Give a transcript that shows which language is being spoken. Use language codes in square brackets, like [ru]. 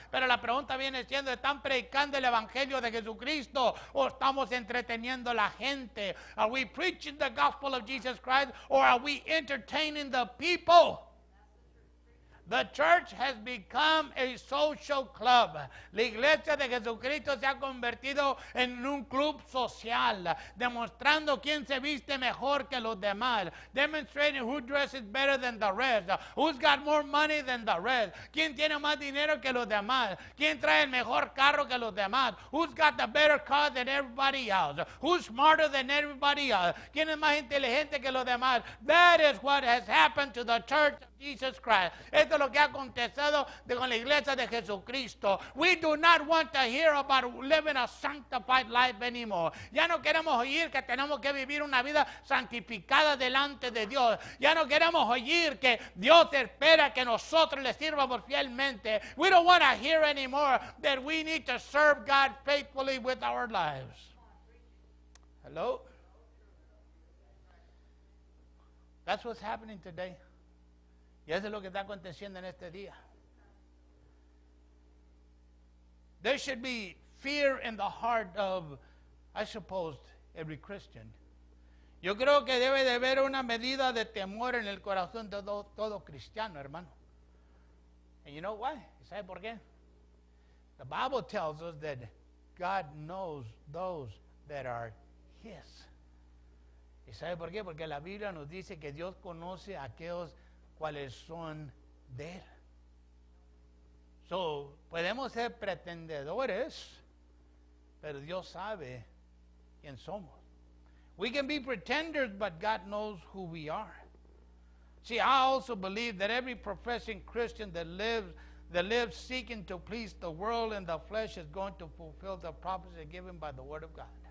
[es] Pero la pregunta viene siendo, ¿están predicando el evangelio de Jesucristo o estamos entreteniendo la gente? [en] Are we preaching the gospel of Jesus Christ or are we entertaining the people? The church has become a social club. [es] La iglesia de Jesucristo se ha convertido en un club social, demostrando quién se viste mejor que los demás, [en] demonstrating who dresses better than the rest, who's got more money than the rest, quién tiene más dinero que los demás, quién trae el mejor carro que los demás, who's got the better car than everybody else, [es] who's smarter than everybody else, quién es más inteligente que los demás. [en] That is what has happened to the church of Jesus Christ. [es] Lo que ha acontecido con la iglesia de Jesucristo. [en] We do not want to hear about living a sanctified life anymore. [es] Ya no queremos oír que tenemos que vivir una vida santificada delante de Dios. Ya no queremos oír que Dios espera que nosotros le sirvamos fielmente. [en] We don't want to hear anymore that we need to serve God faithfully with our lives. Hello? That's what's happening today. [es] Y eso es lo que está aconteciendo en este día. [en] There should be fear in the heart of, I suppose, every Christian. [es] Yo creo que debe de haber una medida de temor en el corazón de todo cristiano, hermano. [en] And you know why? [es] ¿Sabe por qué? [en] The Bible tells us that God knows those that are His. [es] ¿Y sabe por qué? Porque la Biblia nos dice que Dios conoce a aquellos cuales son de Él. So, podemos ser pretendedores, pero Dios sabe quién somos. [en] We can be pretenders, but God knows who we are. See, I also believe that every professing Christian that lives seeking to please the world and the flesh is going to fulfill the prophecy given by the Word of God.